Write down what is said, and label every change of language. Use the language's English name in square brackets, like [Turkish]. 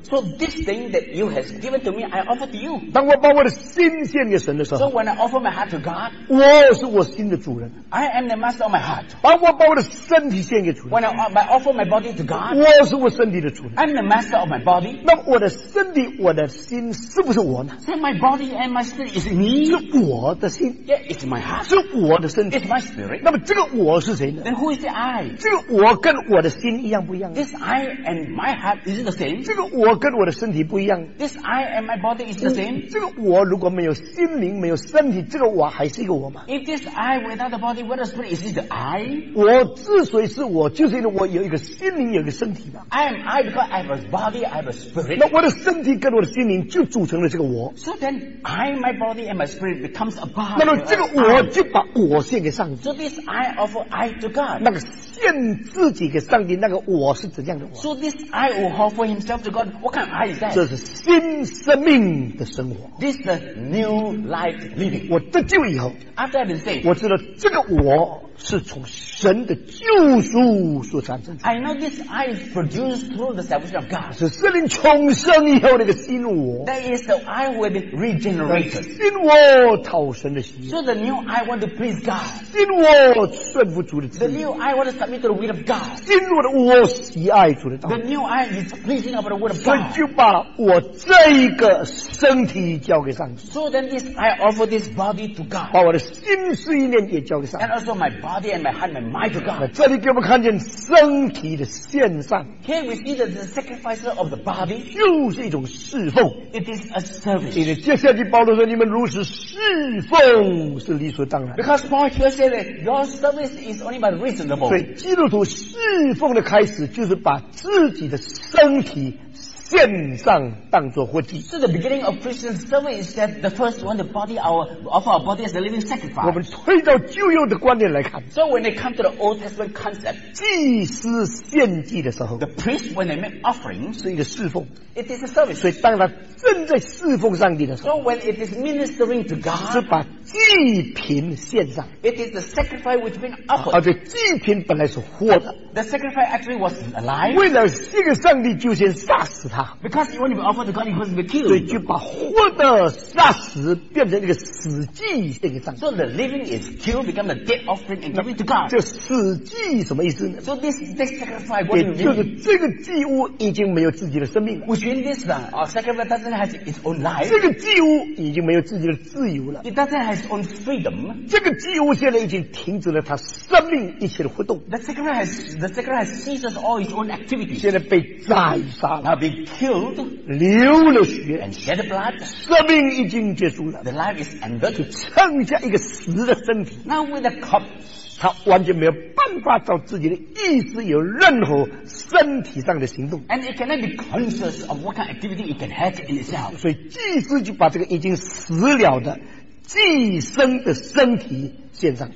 [English] so this thing that you have given to me, I offer to you. [Chinese] 当我把我的心献给神的时候, [English] so when I offer my heart to God, [Chinese] 我是我心的主人, [English] I am the master of my heart. [Chinese] 把我把我的身体献给主人, [English] when I offer my body to God, [Chinese] 我是我身体的主人, [English] I am the master of my body. [Chinese] 那我的身体, 我的心是不是我呢? [English] So my body and my spirit is me. [Chinese] 是我的心, [English] yeah, it's my heart. [Chinese] 是我的身体, [English] it's my spirit. [Chinese] 那么这个我是谁呢? [English] Then who is the I? [Chinese] 这个我跟我的心一样不一样, [English] this I and my heart isn't the same. [Chinese] 这个我跟我的身体不一样, [English] this I and my body is the same. [Chinese] 这个我如果没有心灵没有身体, 这个我还是一个我吗? [English] If this I without the body, without the spirit, is it the I? [Chinese] 我之所以是我, 就是因为我有一个心灵, 有一个身体吧。 [English] I am I because I have a body, I have a spirit. [Chinese] 那我的身体跟我的心灵 就组成了这个我。 [English] So then, I, my body and my spirit becomes a body. [Chinese] 那么这个我就把我献给上帝。 [English] So this I offer I to God. [Chinese] 那个献自己给上帝, 那个我是怎样的我。 [English] So this I will offer himself to God. What kind of I is that? [Chinese] 这是新生命的生活。 [English] This is the new life living. [Chinese] 我得救以后, [English] after I've been saved, [Chinese] 我知道这个我是从神的救赎所产生的。 [English] I know this I is produced through the salvation of God. [Chinese] 是圣灵重生以后那个新我。 [English] That is the I who have been regenerated. [Chinese] 新我讨神的心。 [English] So the new I want to please God. [Chinese] 新我顺服主的旨意。 [English] The new I want to submit to the will of God. [Chinese] 新我的我喜爱主的道。 [English] The new I is pleasing of the word of God. [Chinese] 所以就把我这一个身体交给上帝。 [English] So then this I offer this body to God. [Chinese] 把我的心思意念也交给上帝。 [English] And also my body. body and my heart, my mind to God. [Chinese] 这里给我们看见身体的献上。 [English] Here we see that the sacrifice of the body [Chinese] 就是一种侍奉。 [English] It is a service. [Chinese] 你接下去保罗说，你们如此侍奉是理所当然。 [English] Because Paul here said that your service is only but reasonable. [Chinese] 所以基督徒侍奉的开始就是把自己的身体献上当作活祭。 [English] So the beginning of Christian service is that the first one, the body, our of our body as a living sacrifice. [Chinese] 我们推到旧约的观念来看。 [English] So when they come to the Old Testament concept, [Chinese] 祭司献祭的时候 [English] ，the priest when they make offering [Chinese] 是一个侍奉。 [English] It is a service. [Chinese] 所以当他正在侍奉上帝的时候 [English] ，so when it is ministering to God, [Chinese] 是把祭品献上。 [English] It is the sacrifice which been offered. [Chinese] 而且祭品本来是活的。 [English] The sacrifice actually was alive. [Chinese] 为了这个上帝就先杀死。 [English] Because when you offer to God, he was killed. [Chinese] 所以就把活的杀死，变成一个死祭献给上帝。 [English] So the living is killed, become a dead offering and given to God. [Chinese] 这死祭什么意思呢 [English] ？So this sacrifice, what do you mean? [Chinese] 就是这个祭物已经没有自己的生命了。 [English] Which means this one, our sacrifice doesn't have its own life. [Chinese] 这个祭物已经没有自己的自由了。 [English] It doesn't have its own freedom. [Chinese] 这个祭物现在已经停止了它生命一切的活动。 [English] The sacrifice ceases all its own activity. [Chinese] 现在被宰杀了。 [English] Killed, [Chinese] 流了血 [English] and shed blood, [Chinese] 生命已经结束了 [English] the life is ended, [Chinese] 就剩下一个死的身体 [English] Now with a cup, [Chinese] 他完全没有办法照自己的意思有任何身体上的行动 [English] and it cannot be conscious of what kind of activity it can have in itself [Chinese] 所以祭司就把这个已经死了的祭牲的身体献上